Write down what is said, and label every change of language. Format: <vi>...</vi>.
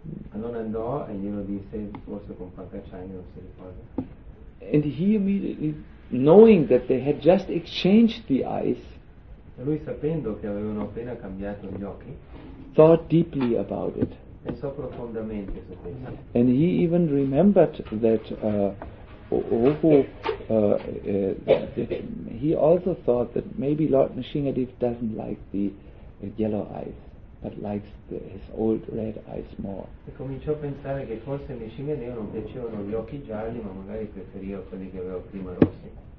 <it>Allora andò e glielo disse, forse con Pankajangri, non si ricorda.</it> <en>And he immediately, knowing that they had just exchanged the eyes,</en> <it>e lui sapendo che avevano appena cambiato gli occhi,</it> <en>thought deeply about it.</en> <it>Pensò profondamente su questo.</it> <en>And he even remembered that he also thought that maybe Lord Nrsimhadeva doesn't like the yellow eyes, but likes his old red eyes more.</en> <it>E cominciò a pensare che forse gli Nrsimhadeva non piacevano gli occhi gialli, ma magari preferiva quelli che aveva prima rossi.</it>